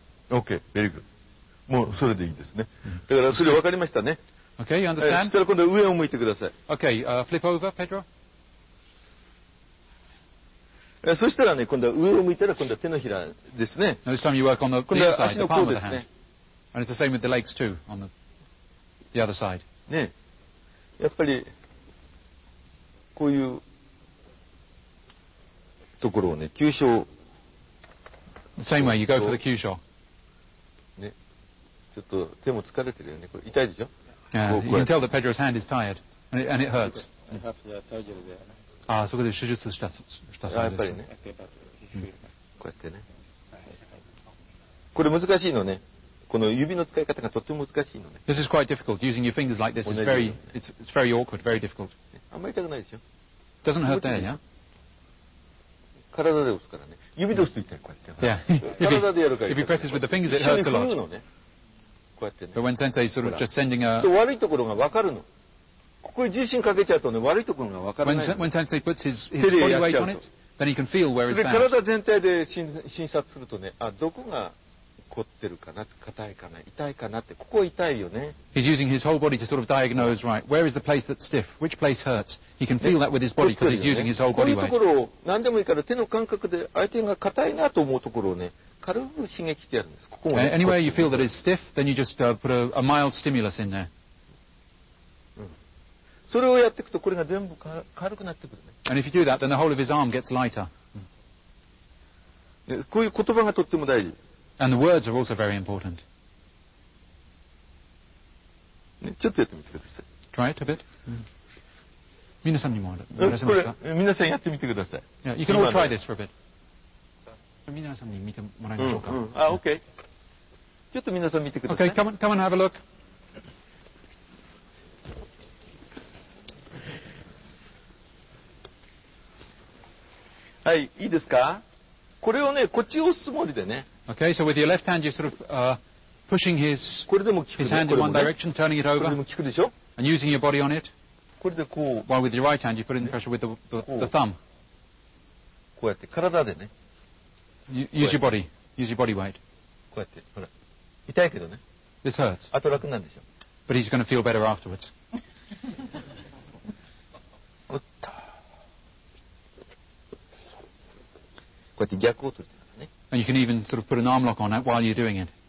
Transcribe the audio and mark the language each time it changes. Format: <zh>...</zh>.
<en>Okay, very good.</en> <ja>もうそれでいいですね。だからそれ分かりましたね。</ja> <en>Okay, you understand?</en> <ja>そしたら今度は上を向いてください。</ja> <en>Okay, flip over, Pedro.</en> <ja>そしたらね、今度は上を向いたら今度は手のひらですね。</ja> <en>Now this time you work on the inside, the palm of the hand.</en> <ja>今度は足の甲ですね。</ja> <en>And it's the same with the legs too, on the other side.</en> <ja>ね。やっぱり、こういうところをね、急所。</ja> <en>The same way, you go for the 急所。</en> <ja>ね。ちょっと手も疲れてるよね。これ痛いでしょ</ja> <en>Yeah, you can tell that Pedro's hand is tired, and it hurts. I have the surgery there.</en> <ja>ああ、そこで手術したそうです。やっぱりね。こうやってね。これ難しいのね。この指の使い方がとっても難しいのね。</ja> <en>This is quite difficult. Using your fingers like this is very, it's very awkward, very difficult.</en> <ja>あんまり痛くないでしょ。</ja> <en>Doesn't hurt there, yeah?</en> <ja>体で押すからね。指で押すと痛い、こうやって。</ja> <en>Yeah.</en> <ja>体でやるから痛くない。</ja> <en>If he presses with the fingers, it hurts a lot.</en> <ja>こうやってね。</ja> <en>But when Sensei sort of just sending a...</en> <ja>悪いところが分かるの。ここに重心かけちゃうとね、悪いところが分からない。</ja> <en>When Sensei puts his body weight on it, then he can feel where it's bad.</en> <ja>体全体で診察するとね、あ、どこが凝ってるかな、硬いかな、痛いかなって、ここ痛いよね。</ja> <en>He's using his whole body to sort of diagnose, right? Where is the place that's stiff? Which place hurts? He can feel that with his body because he's using his whole body weight.</en> <ja>こういうところを何でもいいから手の感覚で相手が硬いなと思うところをね、軽く刺激してやるんです。ここもね。</ja> <en>Anywhere you feel that it's stiff, then you just put a mild stimulus in there.</en> <ja>それをやっていくとこれが全部軽くなってくるね。</ja> <en>And if you do that, then the whole of his arm gets lighter.</en> <ja>こういう言葉がとっても大事。</ja> <en>And the words are also very important.</en> <ja>ちょっとやってみてください。</ja> <en>Try it a bit.</en> <ja>皆さんにもやらせますか。皆さんやってみてください。</ja> <en>Yeah, you can all try this for a bit.</en> <ja>皆さんに見てもらいましょうか。あ、OK。ちょっと皆さん見てください。</ja> <en>Okay, come and have a look.</en> <ja>はい、いいですか。これをね、こっちを押すつもりでね。</ja> <en>Okay, so with your left hand, you're sort of pushing his hand in one direction, turning it over, and using your body on it. While with your right hand, you put in pressure with the thumb.</en> <ja>こうやって、体でね。</ja> <en>Use your body. Use your body weight.</en> <ja>こうやって、ほら。痛いけどね。</ja> <en>This hurts.</en> <ja>あと楽なんでしょ。</ja> <en>But he's going to feel better afterwards.</en> <ja>こうやって逆を取って。</ja> <en>And you can even sort of put an arm lock on it while you're doing it.</en>